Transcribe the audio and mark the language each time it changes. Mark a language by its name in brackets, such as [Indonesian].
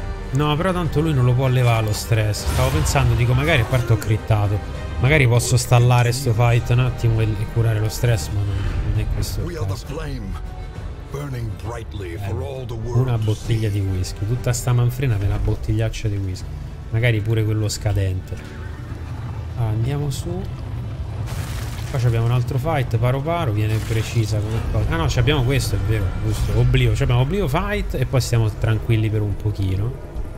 [Italian] No, però tanto lui non lo può levare lo stress. Stavo pensando, dico, magari a parte ho crittato, magari posso stallare sto fight un attimo e curare lo stress, ma non è questo. [English] We are the flame burning brightly for all the world. [Italian] Una bottiglia di whisky, tutta sta manfrina per una bottigliaccia di whisky, magari pure quello scadente. Ah, andiamo su. Qua abbiamo un altro fight, paro paro, viene precisa come cosa. Ah no, abbiamo questo, è vero, giusto. Oblio, abbiamo oblio fight e poi stiamo tranquilli per un pochino.